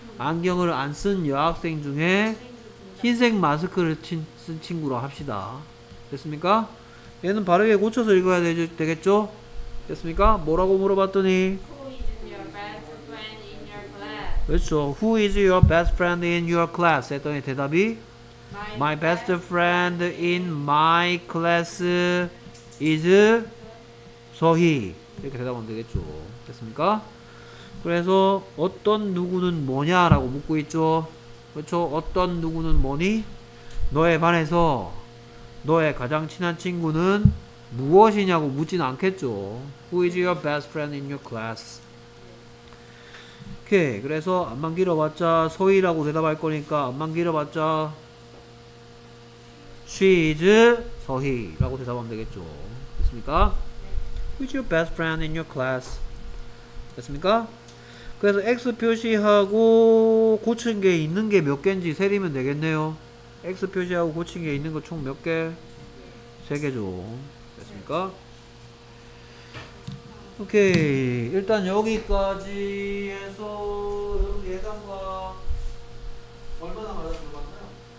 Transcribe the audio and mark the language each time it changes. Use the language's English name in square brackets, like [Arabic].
[Korean] 안경을 안 쓴 여학생 중에 흰색 마스크를 쓴 친구라 합시다. 됐습니까? 얘는 바르게 고쳐서 읽어야 되겠죠? 됐습니까? 뭐라고 물어봤더니 [English] Who is your best friend in your class? [Korean] 그렇죠. [English] Who is your best friend in your class? [Korean] 했더니 대답이 [English] My best friend in my class is 서희. [Korean] 이렇게 대답하면 되겠죠. 됐습니까? 그래서 어떤 누구는 뭐냐라고 묻고 있죠. 그렇죠. 어떤 누구는 뭐니? 너에 반해서 너의 가장 친한 친구는 무엇이냐고 묻진 않겠죠. [English] Who is your best friend in your class? [Korean] 오케이. 그래서 안만 길어봤자 서희라고 대답할 거니까 안만 길어봤자 She is 서희라고 대답하면 되겠죠. 됐습니까? [English] Who is your best friend in your class? [Korean] 됐습니까? 그래서 X 표시하고 고친 게 있는 게 몇 개인지 세리면 되겠네요. X 표시하고 고친 게 있는 거 총 몇 개? 세 개죠. 됐습니까? 오케이. 일단 여기까지 해서 예상과 얼마나 맞았는지 봤나요?